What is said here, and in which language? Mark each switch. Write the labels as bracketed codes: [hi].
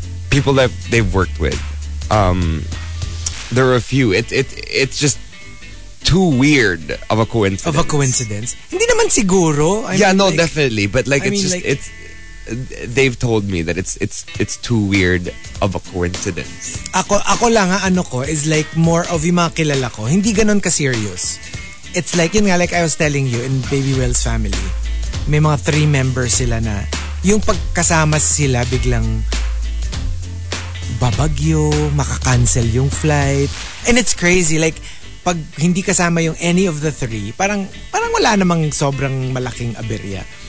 [en] People that they've worked with. There are a few. It's just too weird of a coincidence. Of a coincidence. [tl] Hindi naman siguro. [en] Definitely. But like, it's they've told me that it's too weird of a coincidence. [tl] Ako lang ha, ano ko is like more of yung mga kilala ko. Hindi ganun ka serious. [en] It's like [tl] yun nga, [en] like I was telling you in Baby Will's family, [tl] may mga three members sila na yung pagkasama sila biglang babagyo, makakancel yung flight. [en] And it's crazy, [tl] like pag hindi kasama yung any of the three, parang wala namang sobrang malaking aberya.